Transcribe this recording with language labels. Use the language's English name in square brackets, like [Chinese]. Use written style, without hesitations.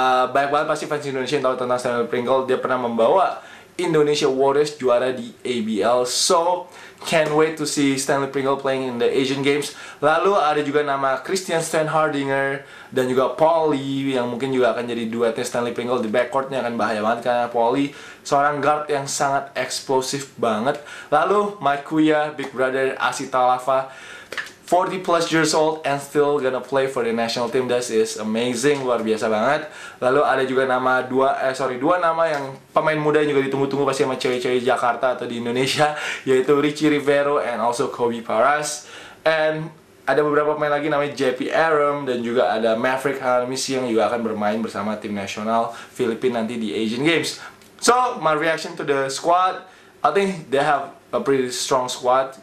[Indonesian] Banyak banget pasti fans Indonesia yang tahu tentang Stanley Pringle. Dia pernah membawa Indonesia Warriors juara di ABL. [English] So, can't wait to see Stanley Pringle playing in the Asian Games. [Indonesian] Lalu ada juga nama Christian Stenhardinger dan juga Paul Lee yang mungkin juga akan jadi duetnya Stanley Pringle di backcourtnya. Akan bahaya banget karena Paul Lee seorang guard yang sangat eksplosif banget. Lalu [English] Mike Kuya, big brother Asita Lava, 40 plus years old and still gonna play for the national team. That is amazing, [Indonesian] luar biasa banget. Lalu ada juga nama dua nama yang pemain muda yang juga ditunggu-tunggu pasti sama cewek-cewek Jakarta atau di Indonesia, yaitu Richie Rivero [English] and also [Indonesian] Kobe Paras. And ada beberapa pemain lagi namanya JP Arum dan juga ada Maverick Harmis yang juga akan bermain bersama tim nasional Filipina nanti di Asian Games. [English] So, my reaction to the squad, I think they have a pretty strong squad.